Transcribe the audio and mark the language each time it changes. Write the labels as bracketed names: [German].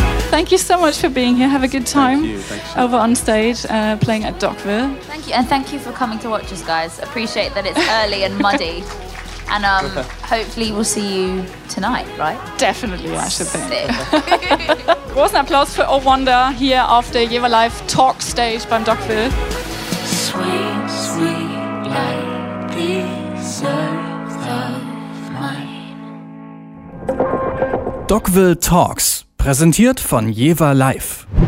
[English] Thank you so much for being here. Have a good time. Thank you. Over on stage playing at Dockville. Thank you. And thank you for coming to watch us, guys. Appreciate that it's early and muddy. And hopefully we'll see you tonight, right? Definitely, yes. I should think. [German] Großen Applaus für O Wonder hier auf der Jever Live Talk Stage beim Dockville. [English] Sweet, sweet light, deserve of mine. [German] Dockville Talks. Präsentiert von Jever Live.